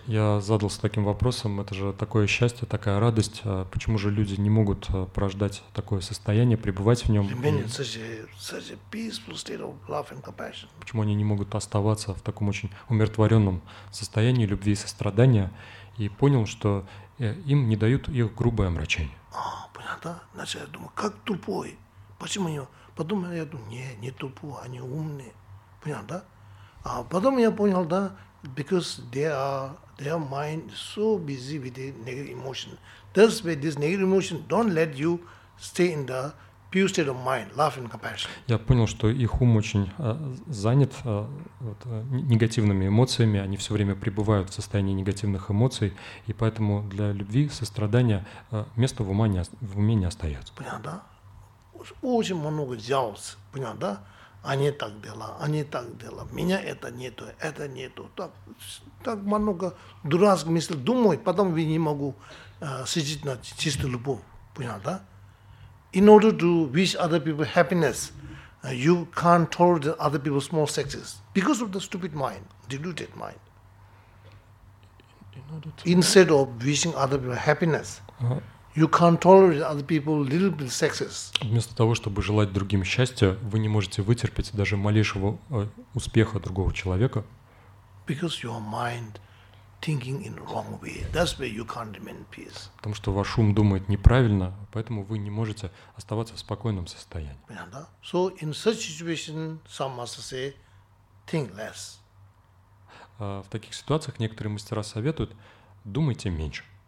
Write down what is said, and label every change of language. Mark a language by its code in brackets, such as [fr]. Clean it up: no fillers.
[ru] Я задался таким вопросом, это же такое счастье, такая радость, почему же люди не могут порождать такое состояние, пребывать в нем? [en] Remain in such a peaceful state of love and compassion. [ru] Почему они не могут оставаться в таком очень умиротворенном состоянии любви и сострадания? И понял, что им не дают их грубое омрачение. А, понятно. Значит, я думаю, как тупой. Почему они? Потом я думаю, не тупой, они умные. Понятно, да? А потом я понял, да, [en] because their mind is so busy with the negative emotion. That's why this negative emotion don't let you stay in the pure state of mind, love and compassion. [ru] Я понял, что их ум очень занят вот, негативными эмоциями, они все время пребывают в состоянии негативных эмоций, и поэтому для любви, сострадания места в уме не остается. Понятно, да? Очень много взялся, понятно, да? Они так дела, они так дела. Меня это нету. Так много дурацких мыслей думаю, потом я не могу сидеть на чистую любовь. Понял, да? [en] In order to wish other people happiness, you can't tolerate other people's small sexes because of the stupid mind, deluded mind. Instead of wishing other people happiness, you can't tolerate other people little bit sexes. [ru] Вместо того, чтобы желать другим счастья, вы не можете вытерпеть даже малейшего успеха другого человека. [en] Because your mind thinking in wrong way. That's why you can't remain peace. [ru] Потому что ваш ум думает неправильно, поэтому вы не можете оставаться в спокойном состоянии. [en] So in such situation, some master say, think less. [ru] В таких ситуациях некоторые мастера советуют: думайте меньше.